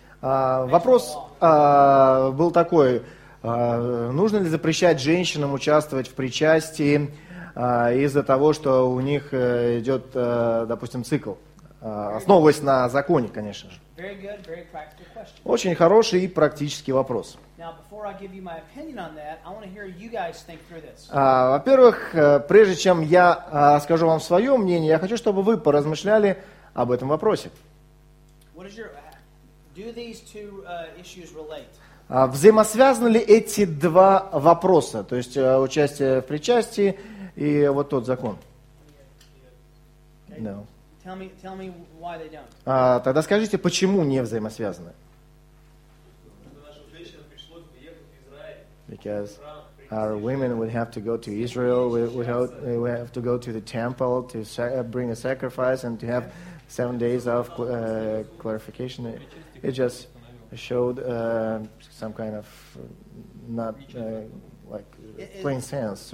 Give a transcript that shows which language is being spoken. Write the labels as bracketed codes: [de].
[ru] Вопрос был такой: нужно ли запрещать женщинам участвовать в причастии из-за того, что у них идет, допустим, цикл, основываясь на законе, конечно же. [en] Very good, very practical question. [ru] Очень хороший и практический вопрос. [en] Now, before I give you my opinion on that, I want to hear you guys think through this. [ru] Во-первых, прежде чем я скажу вам свое мнение, я хочу, чтобы вы поразмышляли об этом вопросе. [en] What is your, do these two issues relate? [ru] Взаимосвязаны ли эти два вопроса, то есть участие в причастии и вот тот закон? [en] No. Tell me why they don't. [ru] Тогда скажите, почему не взаимосвязаны? [en] Because our women would have to go to Israel, we have to go to the temple to bring a sacrifice and to have 7 days of clarification. It just showed some kind of not like plain sense.